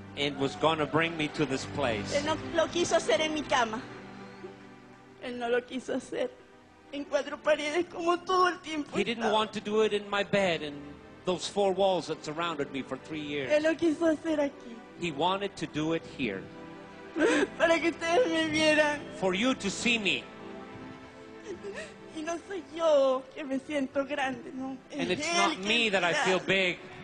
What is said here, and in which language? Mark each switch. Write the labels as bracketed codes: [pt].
[en] and was going to bring me to this place. [es] Él no lo quiso hacer en mi cama. Él no lo quiso hacer en cuatro paredes como todo el tiempo. [en] He didn't want to do it in my bed and those four walls that surrounded me for 3 years. [es] Él lo quiso hacer aquí. [en] He wanted to do it here. [es] Para que ustedes me vieran. [en] For you to see me. [es] Y no soy yo que me siento grande, no. [en] And it's not me that I feel big.